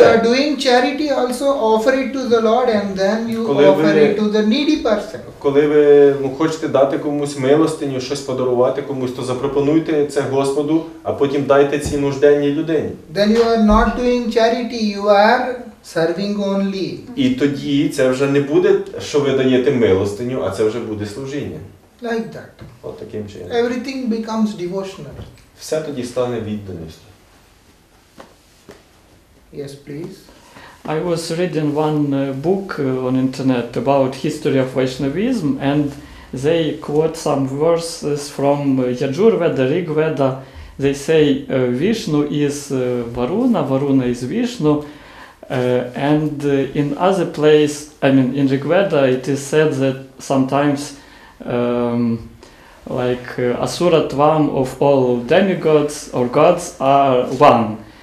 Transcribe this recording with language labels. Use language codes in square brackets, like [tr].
[en] When you are doing charity, also offer it to the Lord and then you [uk] коли [en] offer [uk] ви, [en] it to the needy person. [uk] Коли ви, ну, хочете дати комусь милостиню, щось подарувати комусь, то запропонуйте це Господу, а потім дайте цій нужденній людині. [en] Then you are not doing charity, you are serving only. [uk] І тоді це вже не буде, що ви даєте милостиню, а це вже буде служіння. [en] Like that. [uk] От таким чином. [en] Everything becomes devotional. [uk] Все тоді стане відданістю. [en] Yes, please. I was reading one book on internet about history of Vaishnavism, and they quote some verses from Yajurveda, Rig Veda. They say Vishnu is Varuna, Varuna is Vishnu, and in other place, I mean in Rig Veda, it is said that sometimes like Asuratvam of all demigods or gods are one.